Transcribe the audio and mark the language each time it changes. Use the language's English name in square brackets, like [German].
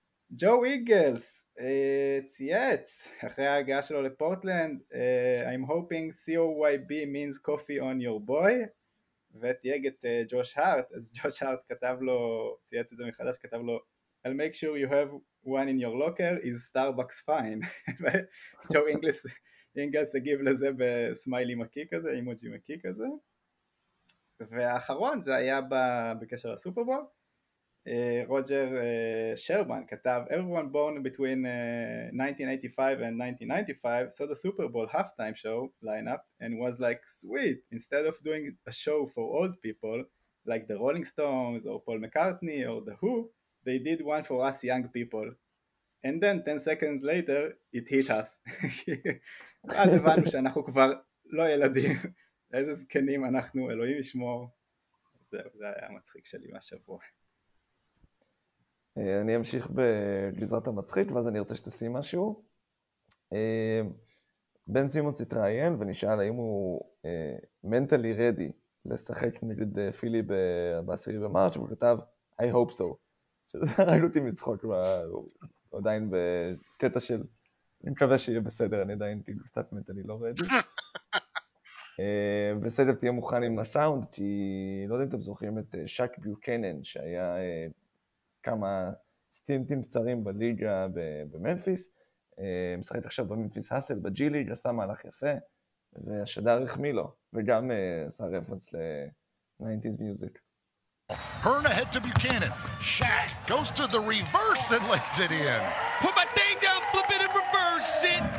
[Hebrew] ג'ו איגלס צייץ אחרי ההגעה שלו לפורטלנד, [English] I'm hoping COYB means coffee on your boy, [Hebrew] ותייג את ג'וש הארט, אז ג'וש הארט כתב לו, צייץ את זה מחדש, כתב לו, [English] I'll make sure you have one in your locker, is Starbucks fine? [Hebrew] וג'ו איגלס הגיב לזה בסמיילי מקי כזה, אימוג'י מקי כזה. והאחרון זה היה בקשר לסופרבול, רוג'ר שרמן כתב, [English] everyone born between 1985 and 1995 saw the Super Bowl halftime show lineup and was like, sweet, instead of doing a show for old people like the Rolling Stones or Paul McCartney or the Who, they did one for us young people, and then 10 seconds later it hit us. [Hebrew] אז הבנו שאנחנו כבר לא ילדים. איזה זקנים אנחנו, אלוהים ישמור. זה היה המצחיק שלי מהשבוע. אני אמשיך בגזרת המצחיק, ואז אני רוצה שתשים משהו. בן סימונס התראיין ונשאל האם הוא mentally ready לשחק נגד פילי ב-10 במארץ, והוא כתב, [English] I hope so. [Hebrew] שזה ראינו אותי מצחוק, הוא עדיין בקטע של, אני מקווה שיהיה בסדר, אני עדיין קצת mentally לא ready. בסדר, תהיה מוכן עם הסאונד, כי לא יודע אם אתם זוכרים את שק ביוקנן, שהיה... כמה סטינטים קצרים בליגה במפיס, משחקת עכשיו במפיס הסל בג'י ליג, עשה מהלך יפה, והשדר החמיא לו, וגם עשה רפרנס ל-90s music. [English] Hearn ahead to Buchanan. Shaq goes to the reverse and lays it in. Put my thing down, flip it and reverse it.